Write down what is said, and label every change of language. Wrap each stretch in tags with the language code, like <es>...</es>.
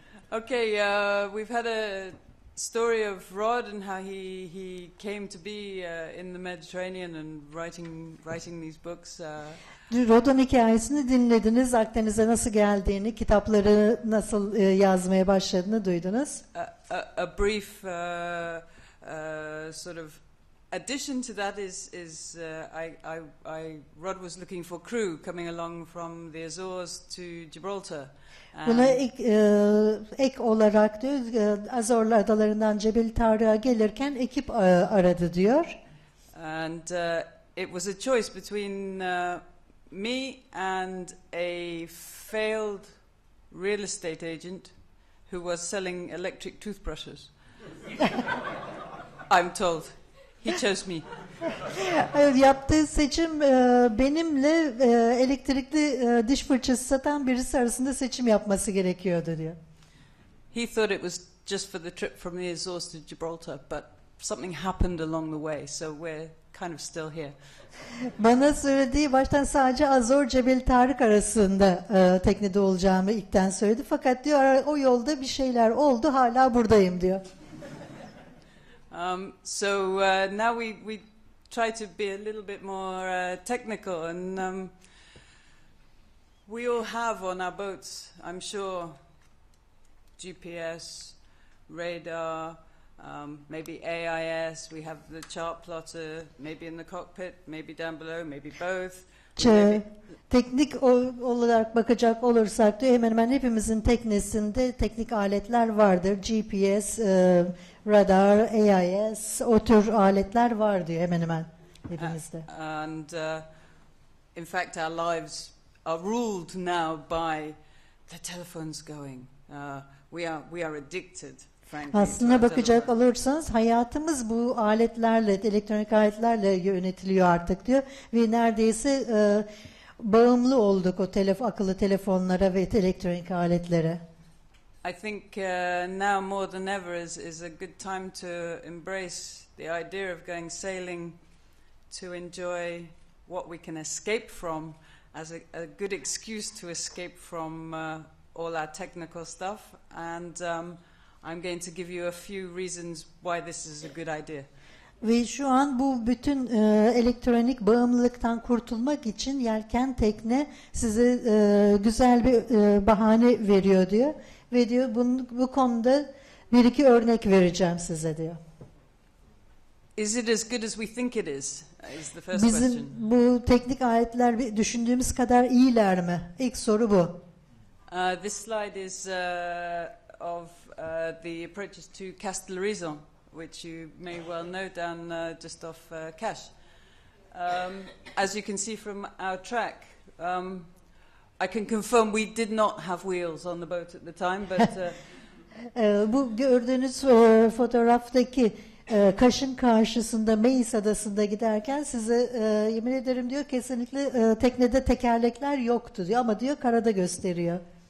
<en>Okay, we've had a story of Rod and how he came to be in the Mediterranean and writing these books.</en> <tr>Rod'un hikayesini dinlediniz. Akdeniz'e nasıl geldiğini, kitapları nasıl yazmaya başladığını duydunuz.</tr> <en>A brief sort of addition to that is I Rod was looking for crew coming along from the Azores to Gibraltar.</en> <tr>Buna ek olarak diyor, Azorlu adalarından Gibraltar'a gelirken ekip aradı diyor.</tr> <en>And it was a choice between me and a failed real estate agent who was selling electric toothbrushes. I'm told he chose me.</en> <tr>Yaptığı seçim benimle elektrikli diş fırçası satan birisi arasında seçim yapması gerekiyordu diyor.</tr> <en>He thought it was just for the trip from the Azores to Gibraltar, but something happened along the way, so we're kind of still here.</en> <tr>Bana söylediği baştan sadece Azor Cebeltarık arasında teknede olacağımı ilkten söyledi. Fakat diyor o yolda bir şeyler oldu, hala buradayım diyor.</tr> <en>So now we try to be a little bit more technical, and we all have on our boats, I'm sure, GPS, radar, maybe AIS, we have the chart plotter, maybe in the cockpit, maybe down below, maybe both.</en> <tr>Teknik olarak bakacak olursak diyor, hemen hemen hepimizin teknesinde teknik aletler vardır. GPS, radar, AIS, o tür aletler var diyor hemen hemen hepimizde.</tr> <en>And in fact our lives are ruled now by the telephones going. We are addicted.</en> <tr>Aslına bakacak olursanız hayatımız bu aletlerle, elektronik aletlerle yönetiliyor artık diyor. Ve neredeyse bağımlı olduk o akıllı telefonlara ve elektronik aletlere.</tr> <en>I think now more than ever is a good time to embrace the idea of going sailing to enjoy what we can escape from as a good excuse to escape from all our technical stuff. And I'm going to give you a few reasons why this is a good idea.</en> <tr>Ve şu an bu bütün elektronik bağımlılıktan kurtulmak için yelken tekne size güzel bir bahane veriyor diyor. Ve diyor bu konuda bir iki örnek vereceğim size diyor.</tr> <en>Is it as good as we think it is? Is the first</en> <tr>Bizim</tr> <en>question.</en> <tr>Bu teknik aletler düşündüğümüz kadar iyiler mi? İlk soru bu.</tr> <en>This slide is of the approaches to Castellarizon, which you may well know down just off Cash. As you can see from our track, I can confirm we did not have wheels on the boat at the time, but...</en> <tr>bu gördüğünüz fotoğraftaki Kaş'ın karşısında, Meis Adası'nda giderken size yemin ederim diyor, kesinlikle teknede tekerlekler yoktu diyor, ama diyor karada gösteriyor.</tr>